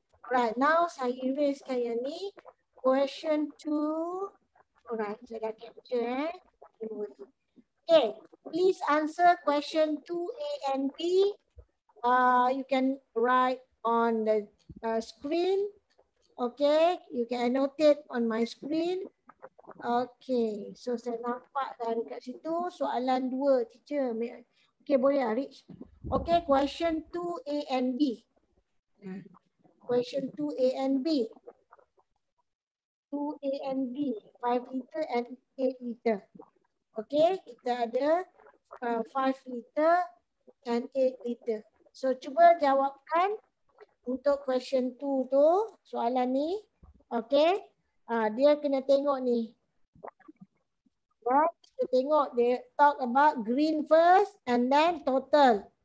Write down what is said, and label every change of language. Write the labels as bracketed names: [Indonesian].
[Malay] Right, now saya erase kan yang ni. Question 2. Alright, saya dah capture eh. [English] Okay, please answer question 2A and B. You can write on the screen. Okay, you can annotate on my screen. [Malay] Okay, so saya nampak dah dekat situ. Soalan 2, teacher. Okay, boleh lah, Rich. [English] Okay, question 2A and B. Question 2A and B. 2A and B. 5 liter and 8 liter. [Malay] Okay, kita ada 5 liter and 8 liter. So, cuba jawabkan untuk question 2 tu, soalan ni. Okay. Dia kena tengok ni. Right. Kita tengok dia [English] talk about green first and then total.